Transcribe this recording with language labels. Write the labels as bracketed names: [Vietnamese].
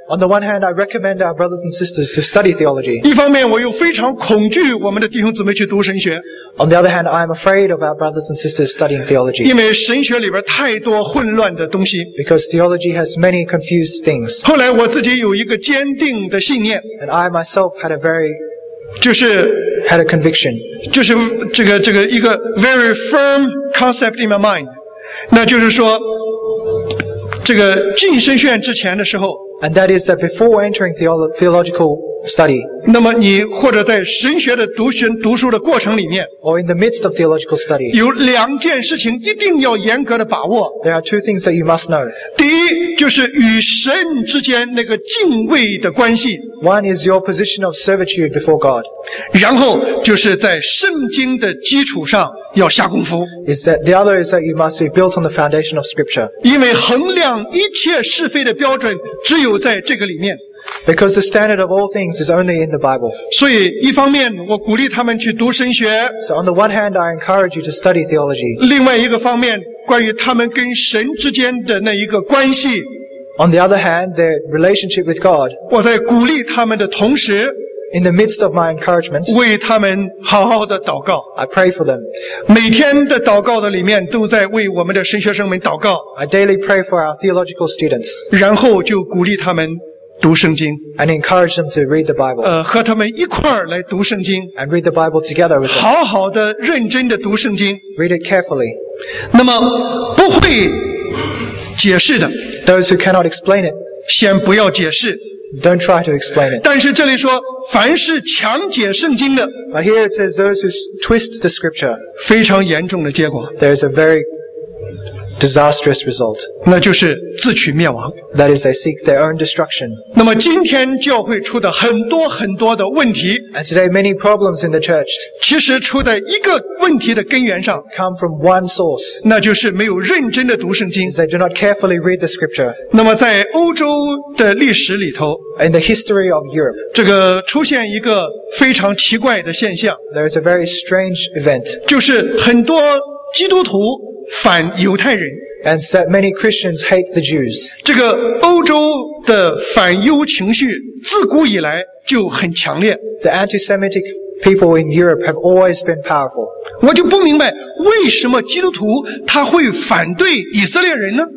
[English] On the one hand, I recommend our brothers and sisters to study theology. [Chinese] 一方面我又非常恐惧我们的弟兄姊妹去读神学。 [English] On the other hand, I am afraid of our brothers and sisters studying theology. [Chinese] 因为神学里边太多混乱的东西。 [English] Because theology has many confused things. [Chinese] 后来我自己有一个坚定的信念。 [English] And I myself had a very had a conviction. [Chinese] 就是这个一个 [English] very firm concept in my mind. [Chinese] 那就是说这个进神学院之前的时候 [English] And that is that before entering theological study. [Chinese] 那么你或者在神学的读书的过程里面 [English] Or in the midst of theological study. [Chinese] 有两件事情一定要严格的把握 [English] There are two things that you must know. [Chinese] 第一就是与神之间那个敬畏的关系 [English] One is your position of servitude before God. [Chinese] 然后就是在圣经的基础上要下功夫 [English] is that the other is that you must be built on the foundation of scripture. [Chinese] 因为衡量一切是非的标准只有在这个里面 [English] Because the standard of all things is only in the Bible. [Chinese] 所以一方面我鼓励他们去读神学 [English] So on the one hand, I encourage you to study theology. [Chinese] 另外一个方面关于他们跟神之间的那一个关系 [English] On the other hand, their relationship with God. [Chinese] 我在鼓励他们的同时 [English] In the midst of my encouragement, [Chinese] 为他们好好的祷告。 [English] I pray for them. [Chinese] 每天的祷告的里面都在为我们的神学生们祷告。 [English] I daily pray for our theological students. [Chinese] 然后就鼓励他们读圣经。 [English] And encourage them to read the Bible. [Chinese] 和他们一块儿来读圣经。 [English] And read the Bible together with them. [Chinese] 好好的认真的读圣经。 [English] Read it carefully. [Chinese] 那么不会解释的。 [English] Those who cannot explain it. [Chinese] 先不要解释。 [English] Don't try to explain it. [Chinese] 但是这里说，凡是强解圣经的 [English] ，But here it says those who twist the scripture. [Chinese] 非常严重的结果 [English] ，There is a very disastrous result. [Chinese] 那就是自取灭亡 [English] ，That is they seek their own destruction. [Chinese] 那么今天教会出的很多很多的问题 [English] ，And today many problems in the church. [Chinese] 其实出在一个问题的根源上 [English] ，Come from one source. [Chinese] 那就是没有认真的读圣经 [English] ，They do not carefully read the scripture. [Chinese] 那么在欧洲的历史里头 [English] ，In the history of Europe. [Chinese] 这个出现一个非常奇怪的现象 [English] ，There is a very strange event. [Chinese] 就是很多基督徒反犹太人 [English] and said many Christians hate the Jews. [Chinese] 这个欧洲的反犹情绪自古以来就很强烈。 [English] The anti-Semitic people in Europe have always been powerful. [Chinese] 我就不明白为什么基督徒他会反对以色列人呢